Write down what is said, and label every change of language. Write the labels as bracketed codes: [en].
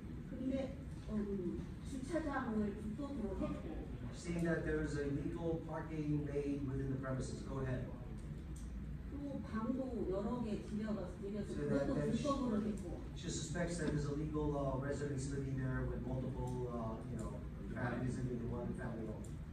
[ko] 근데, 주차장을 불법으로 했고. [en] Seeing that there is a legal parking made within the premises, go ahead. [ko] 또 방도 여러 개 들여서, 그것도 불법으로 했고. [en] She suspects that there's a legal residence living there with multiple, families in the one family home.